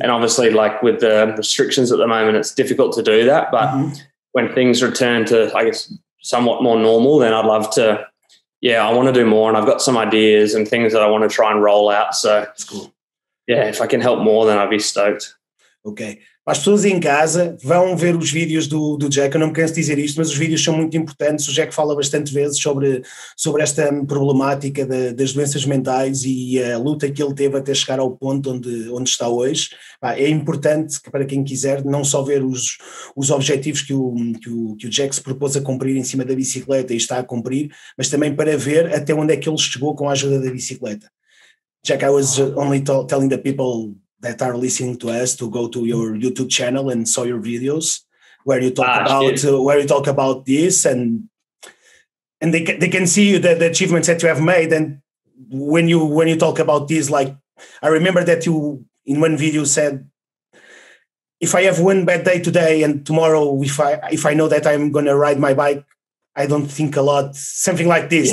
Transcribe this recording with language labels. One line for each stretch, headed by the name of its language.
English: And obviously, like with the restrictions at the moment, it's difficult to do that. But when things return to, I guess, somewhat more normal, then I'd love to, I want to do more. And I've got some ideas and things that I want to try and roll out. So, that's cool. Yeah, if I can help more, then I'd be stoked. Okay.
Portuguese: As pessoas em casa vão ver os vídeos do Jack. Eu não me canso de dizer isto, mas os vídeos são muito importantes. O Jack fala bastante vezes sobre esta problemática das doenças mentais e a luta que ele teve até chegar ao ponto onde está hoje. É importante que para quem quiser não só ver os objetivos que o Jack se propôs a cumprir em cima da bicicleta e está a cumprir, mas também para ver até onde é que ele chegou com a ajuda da bicicleta.
English: Jack, I was only telling the people that are listening to us to go to your YouTube channel and saw your videos where you talk about this and they can see the achievements that you have made. And when you talk about this, like I remember that you in one video said, if I have one bad day today and tomorrow, if I know that I'm going to ride my bike, I don't think a lot, something like this.